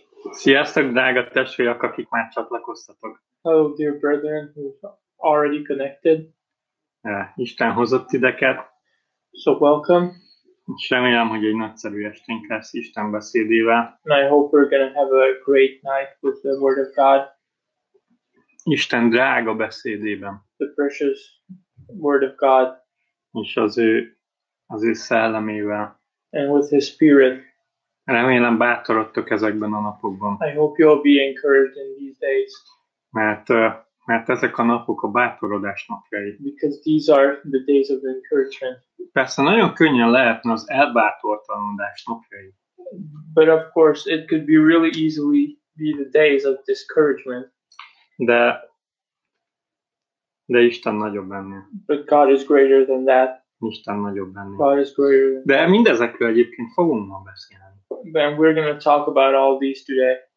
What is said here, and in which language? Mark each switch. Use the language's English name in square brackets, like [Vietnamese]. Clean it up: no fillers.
[Hungarian] Sziasztok, drága testvérek, akik már csatlakoztatok. [English] Hello, dear brethren, who's already connected. [Hungarian] Isten hozott ideket. [English] So welcome. [Hungarian] Remélem, hogy egy nagyszerű esténk lesz Isten beszédével. [English] And I hope we're gonna have a great night with the Word of God. [Hungarian] Isten drága beszédében. [English] The precious Word of God. [Hungarian] És az ő szellemével. [English] And with His Spirit. [Hungarian] Remélem bátorodtok ezekben a napokban. [English] I hope you'll be encouraged in these days. [Hungarian] Mert ezek a napok a bátorodás napjai. [English] Because these are the days of encouragement. [Hungarian] Persze nagyon könnyen lehetne az elbátortalanodás napjai. [English] But of course it could be really easily be the days of discouragement. [Hungarian] De Isten nagyobb ennél. [English] But God is greater than that. [Hungarian] Isten nagyobb ennél. [English] God is greater than [Hungarian] that. De mindezekről egyébként fogunk ma beszélni. [English] Then we're going to talk about all these today.